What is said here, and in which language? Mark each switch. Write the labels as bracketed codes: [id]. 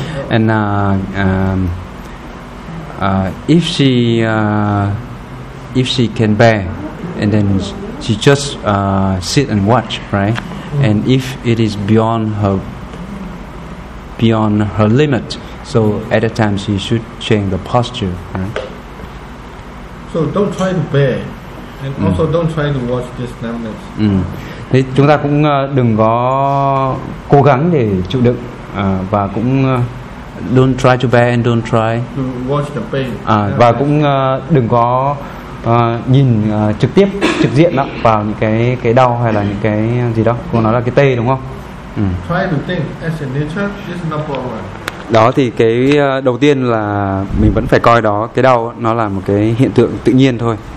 [en] And if she can bear, and then she just sit and watch, right? And if it is beyond her limit, so at that time she should change the posture, right? So don't try to bear. And also don't try to watch this numbness. [vi] Thì chúng ta cũng đừng có cố gắng để chịu đựng, và cũng [en] don't try to bear and don't try to watch the pain. [vi] Và cũng đừng có nhìn trực diện đó vào những cái đau hay là những cái gì đó. Cô nói là cái tê đúng không? [en] Try to think as a nature, this is no problem. [vi] Đó thì cái đầu tiên là mình vẫn phải coi đó, cái đau nó là một cái hiện tượng tự nhiên thôi.